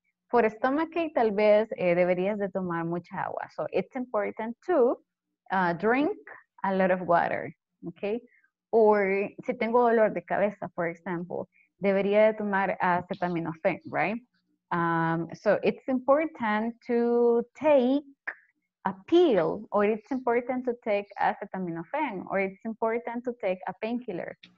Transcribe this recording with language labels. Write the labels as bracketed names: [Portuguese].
[English] For stomachache, [Spanish] tal vez deberías de tomar mucha agua. [English] So, it's important to drink a lot of water. Okay? [Spanish] Or, si tengo dolor de cabeza, [English] for example, [Spanish] debería de tomar acetaminofén. [English] Right? So, it's important to take a pill, or it's important to take acetaminophen, or it's important to take a painkiller.